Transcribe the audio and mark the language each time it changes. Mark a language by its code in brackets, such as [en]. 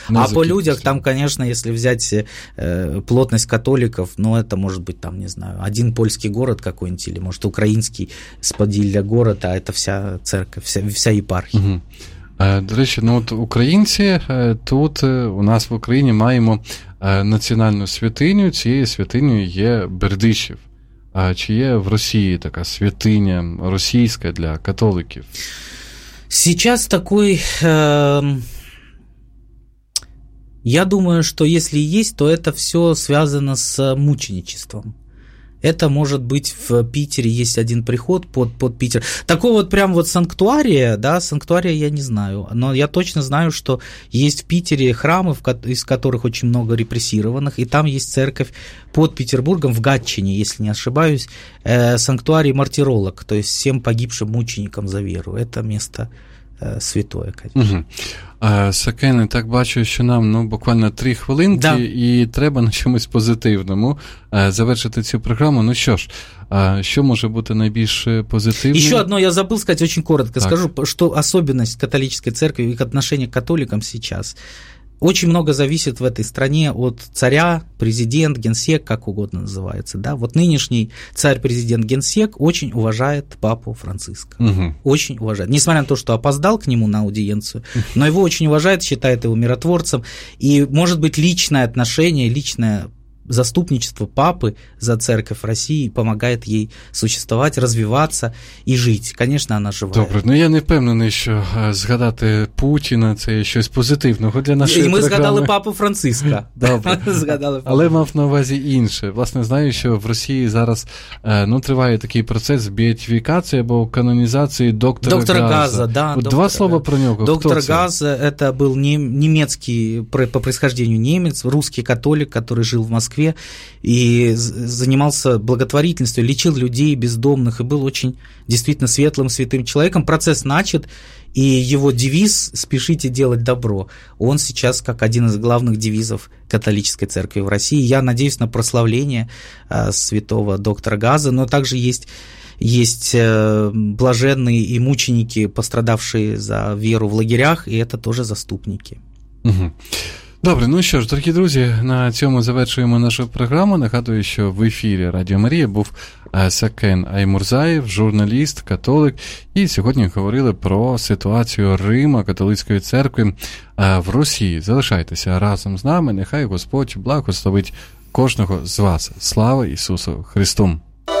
[uk] А по людях, там, звісно, якщо взяти плотність католиків, ну, це може бути, там, не знаю, один польський город якийсь, або, може, український з Поділля город, а це вся церква, вся єпархія. Угу. До речі, ну, от українці тут у нас в Україні маємо національну святиню, цією святиною є Бердичів. А чи є в Росії така святиня російська для католиків? [ru] Сейчас такой, я думаю, что если есть, то это все связано с мученичеством. Это может быть в Питере есть один приход под Питер. Такого вот прям вот санктуария, да, санктуария я не знаю, но я точно знаю, что есть в Питере храмы, из которых очень много репрессированных, и там есть церковь под Петербургом в Гатчине, если не ошибаюсь, санктуарий мартиролог, то есть всем погибшим мученикам за веру. Это место святое, конечно. Угу. [uk] Сакене, так бачу, що нам, ну, буквально 3 хвилинки, [ru] да. [uk] І треба на чомусь позитивному завершити цю програму. Ну що ж, що може бути найбільш позитивним? Ще одне, я забув сказати, дуже коротко. Так. Скажу, що особливість католицької церкви, їх відношення [ru] к католикам [uk] зараз, [ru] очень много зависит в этой стране от царя, президент, генсек, как угодно называется, да, вот нынешний царь-президент генсек очень уважает папу Франциска, очень уважает, несмотря на то, что опоздал к нему на аудиенцию, но его очень уважает, считает его миротворцем, и, может быть, личное отношение, личное заступничество папы за церковь России помогает ей существовать, развиваться и жить. Конечно, она живая. [uk] Добре, ну я не впевнений, що згадати Путіна – це щось позитивного для нашої програми. Ми згадали папу Франциска. Добре. Згадали папу. Але мав на увазі інше. Власне, знаю, що в Росії зараз триває такий процес біотифікації або канонізації доктора, доктора Газа. Да, от два слова про нього. [ru] Доктор Газ – это был немецкий, по происхождению немец, русский католик, который жил в Москве и занимался благотворительностью, лечил людей бездомных и был очень действительно светлым, святым человеком. Процесс начат, и его девиз «спешите делать добро», он сейчас как один из главных девизов католической церкви в России. Я надеюсь на прославление святого доктора Газа, но также есть блаженные и мученики, пострадавшие за веру в лагерях, и это тоже заступники. [uk] Добре, ну що ж, дорогі друзі, на цьому завершуємо нашу програму. Нагадую, що в ефірі Радіо Марія був Сакен Аймурзаєв, журналіст, католик. І сьогодні говорили про ситуацію Рима, католицької церкви в Росії. Залишайтеся разом з нами, нехай Господь благословить кожного з вас. Слава Ісусу Христу!